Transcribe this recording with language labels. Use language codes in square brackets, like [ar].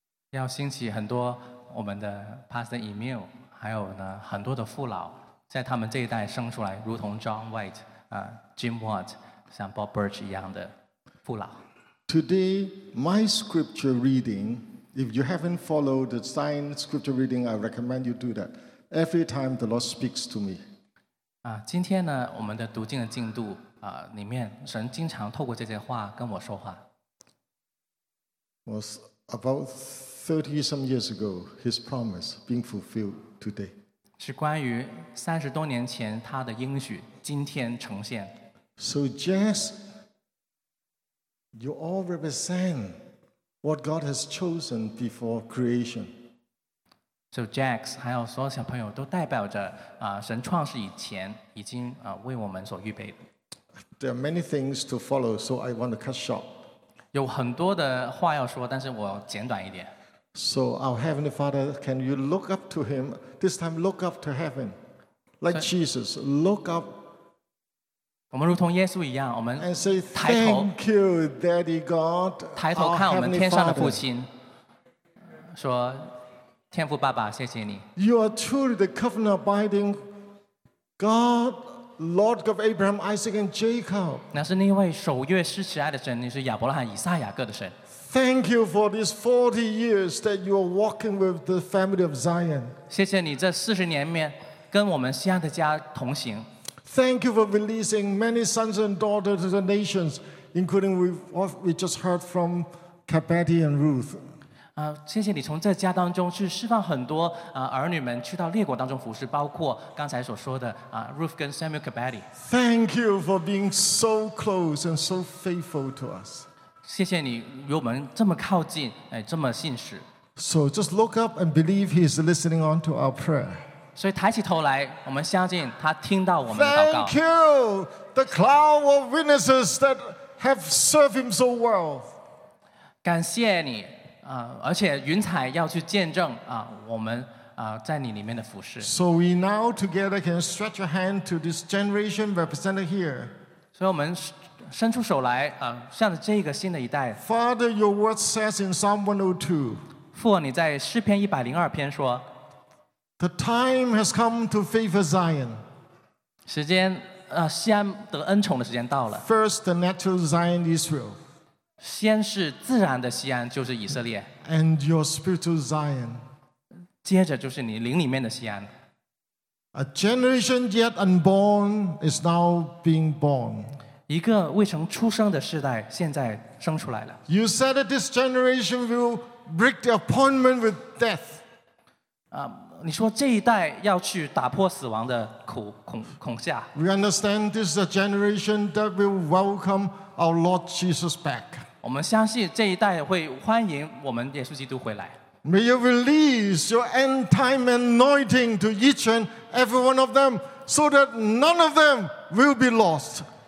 [zh] 要兴起很多我们的 Pastor Emil, 还有呢很多的父老在他们这一代生出来，如同 John White, Jim Ward, 像 Bob Birch 一样的父老。 [en] Today, my scripture reading. If you haven't followed the sign scripture reading, I recommend you do that. Every time the Lord speaks to me. [zh] 今天呢，我们的读经的进度里面，神经常透过这些话跟我说话。 [en] Was about 30 some years ago, His promise being fulfilled today. [zh] 是关于三十多年前他的应许今天呈现。 [en] So Jess, you all represent. What God has chosen before creation. [zh] So Jax, 还有所有小朋友都代表着神创世以前已经为我们所预备的。 [en] There are many things to follow, so I want to cut short. [zh] 有很多的话要说，但是我简短一点。 [en] So our Heavenly Father, can you look up to Him? This time look up to heaven. Like Jesus, look up. [zh] 我们如同耶稣一样，我们抬头。 [en] And say thank you, Daddy God. [zh] 抬头看我们天上的父亲，说：“天父爸爸，谢谢你。” [en] You are truly the covenant-abiding God, Lord of Abraham, Isaac, and Jacob. [zh] 那是那位守约施慈爱的神，你是亚伯拉罕、以撒、雅各的神。 [en] Thank you for these 40 years that you are walking with the family of Zion. [zh] 谢谢你这四十年面跟我们西安的家同行。 [en] Thank you for releasing many sons and daughters to the nations, including what we just heard from Kabeti and Ruth. [zh] 谢谢你从这家当中去释放很多儿女们去到列国当中服侍，包括刚才所说的Ruth 跟 Samuel Kabeti. [en] Thank you for being so close and so faithful to us. [zh] 谢谢你与我们这么靠近，这么信实。 [en] So just look up and believe He is listening on to our prayer. [zh] 所以抬起头来，我们相信他听到我们的祷告。 [en] Thank you, the cloud of witnesses that have served Him so well. [zh] 感谢你，而且云彩要去见证我们在你里面的服事。 [en] So we now together can stretch a hand to this generation represented here. [zh] 所以我们伸出手来，向着这个新的一代。 [en] Father, your word says in Psalm 102. [zh] 父，你在诗篇102篇说。 [en] The time has come to favor Zion. [zh] 时间，西安得恩宠的时间到了。 [en] First, the natural Zion, Israel. [zh] 先是自然的西安，就是以色列。 [en] And your spiritual Zion. [zh] 接着就是你灵里面的西安。 [en] A generation yet unborn is now being born. [zh] 一个未曾出生的世代现在生出来了。 [en] You said that this generation will break the appointment with death. [zh] 你说这一代要去打破死亡的恐吓。 [en] We understand this is a generation that will welcome our Lord Jesus back. [zh] 我们相信这一代会欢迎我们耶稣基督回来。 [en] May you release your end time anointing to each and every one of them, so that none of them will be lost.